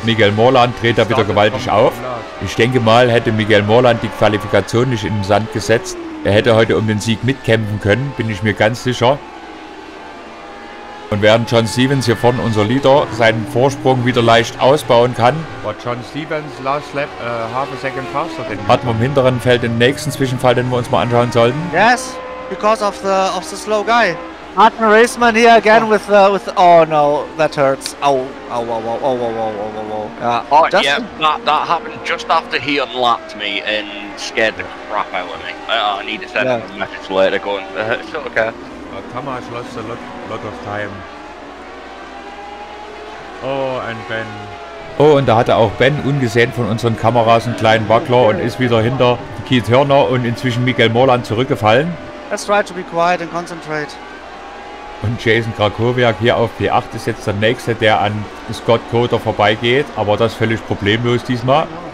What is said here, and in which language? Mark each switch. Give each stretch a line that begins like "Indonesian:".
German: Miguel Morland dreht da wieder gewaltig auf. Ich denke mal, hätte Miguel Morland die Qualifikation nicht in den Sand gesetzt, er hätte heute um den Sieg mitkämpfen können, bin ich mir ganz sicher. Und während John Stevens hier vorne, unser Leader, seinen Vorsprung wieder leicht ausbauen kann,
English: but John Stevens last lap, half a second faster than
German: hat man im hinteren Feld den nächsten Zwischenfall, den wir uns mal anschauen sollten.
English: Yes, because of the slow guy. Martin Raceman here again with oh no, that hurts. That happened just after he unlapped me and scared the crap out of me. I need to send a message later going, it's okay. Tamás lost a lot of time. Oh, and Ben.
German: Oh, und da hatte auch Ben ungesehen von unseren Kameras einen kleinen Wackler und ist wieder hinter Keith Hörner und inzwischen Miguel Morland zurückgefallen.
English: Let's try to be quiet and concentrate.
German: Und Jason Krakowiak hier auf P8 ist jetzt der Nächste, der an Scott Coder vorbeigeht, aber das völlig problemlos diesmal.